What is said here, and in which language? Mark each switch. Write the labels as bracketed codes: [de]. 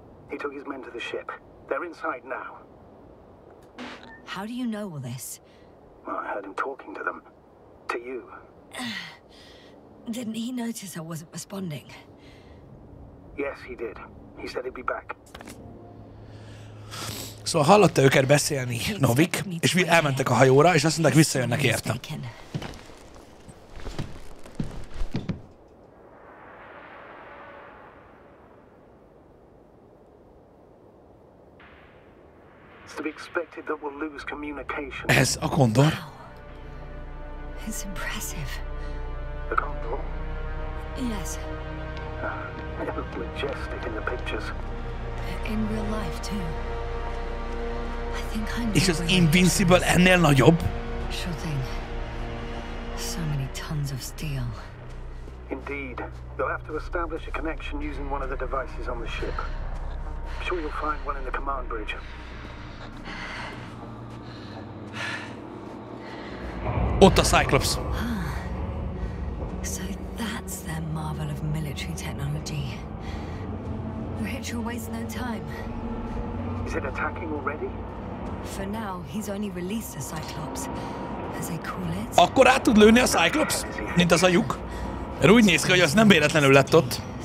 [en] He took his men to the ship. They're inside now. How do you know all this? Well, I heard him talking to them. To you. Didn't he notice I wasn't responding? Yes, he did. He said he'd be back. [hu] So hallotta őket beszélni, Novik, és mi elmentek a hajóra, és azt mondták, visszajönnek értem. [en] It's to be expected that we'll lose communication. [hu] Ez a Condor. [en] It's impressive. The Condor? Yes. They look majestic in the pictures. In real life, too. I think I know. [hu] És az Invincible ennél nagyobb? [en] Sure thing. So many tons of steel. Indeed. You'll have to establish a connection using one of the devices on the ship. I'm sure you'll find one in the command bridge. [hu] Ott a Cyclops. [en] So that's their marvel of military technology. Rachel wastes no time. Is it attacking already? For now, he's only released the Cyclops, as they call it. [hu] Akkor át tud lőni a Cyclops, mint az a lyuk? Mert úgy néz ki, hogy az nem véletlenül lett ott.